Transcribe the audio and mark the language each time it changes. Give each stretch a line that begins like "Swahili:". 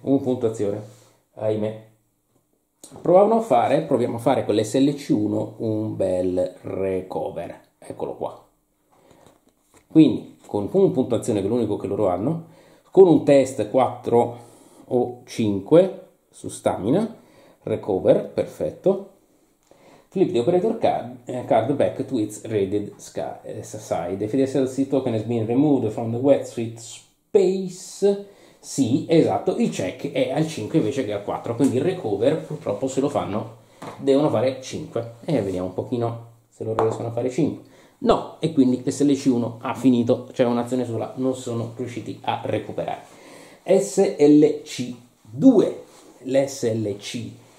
Italian: Un punto azione, ahimè. Proviamo a fare con l'SLC1 un bel recover, eccolo qua. Quindi, con un punto azione, che è l'unico che loro hanno, con un test 4 o 5 su stamina, recover, perfetto.
English: Flip the operator card back to its raided side. The SLC token has been removed from the wet suit space.
Italian: Sì, esatto, il check è al 5 invece che al 4, quindi il recover purtroppo se lo fanno devono fare 5. E vediamo un pochino se loro riescono a fare 5. No, e quindi SLC1 ha finito, cioè un'azione sola, non sono riusciti a recuperare. SLC2, l'SLC